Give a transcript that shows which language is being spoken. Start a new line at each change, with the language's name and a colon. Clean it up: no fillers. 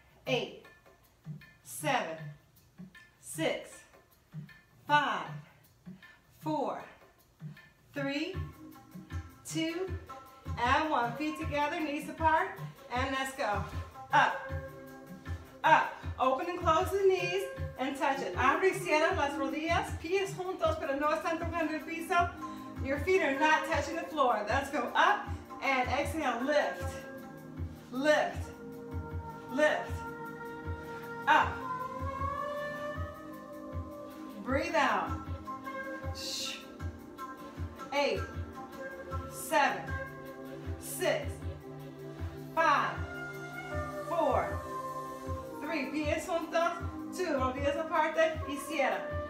English: Eight, seven, six, five, four, three, two, and one. Feet together, knees apart, and let's go. Up, up. Open and close the knees and touch it.
Spanish: Abre y cierra las rodillas, pies juntos, pero no están tocando el piso.
English: Your feet are not touching the floor. Let's go up and exhale, lift, lift, lift, up. Breathe out. Shh. Eight, seven, six, five, four, three,
Spanish: pies juntos,
English: two,
Spanish: rodillas aparte, y cierra.